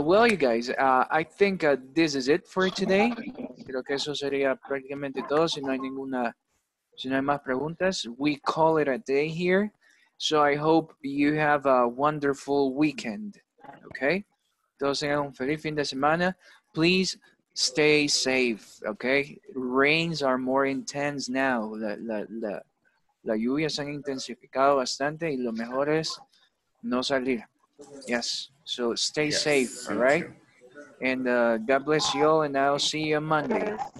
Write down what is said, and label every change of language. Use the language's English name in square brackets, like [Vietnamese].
[English] You guys, I think this is it for today. [Spanish] Creo que eso sería prácticamente todo. Si no hay más preguntas, [English] we call it a day here. So I hope you have a wonderful weekend. [Spanish] Okay? Entonces, un feliz fin de semana. [English] Please stay safe. [Spanish] Okay? [English] Rains are more intense now. [Spanish] La lluvia se ha intensificado bastante y lo mejor es no salir. [English] Yes. So stay safe. All right? And God bless you all, and I'll see you on Monday.